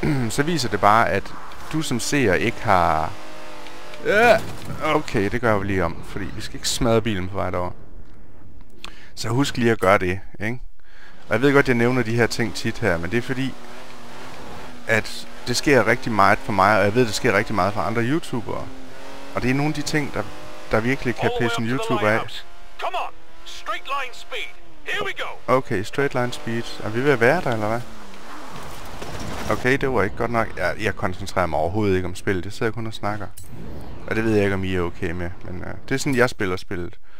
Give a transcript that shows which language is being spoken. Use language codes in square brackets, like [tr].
[da] Så viser det bare, at du som seer ikke har... Ja, okay, det gør vi lige om, fordi vi skal ikke smadre bilen på vej derovre. Så husk lige at gøre det, ikke? Og jeg ved godt, jeg nævner de her ting tit her, men det er fordi, at det sker rigtig meget for mig, og jeg ved, det sker rigtig meget for andre YouTubere. Og det er nogle af de ting, der virkelig kan pisse en YouTuber af. [en] Come on, straight line speed. Here we go. Okay, straight line speed. [da] Er vi ved at være der, eller hvad? Okay, det var ikke godt nok. Jeg koncentrerer mig overhovedet ikke om spillet. Jeg sidder kun og snakker. Og det ved jeg ikke, om I er okay med. Men det er sådan, jeg spiller spillet.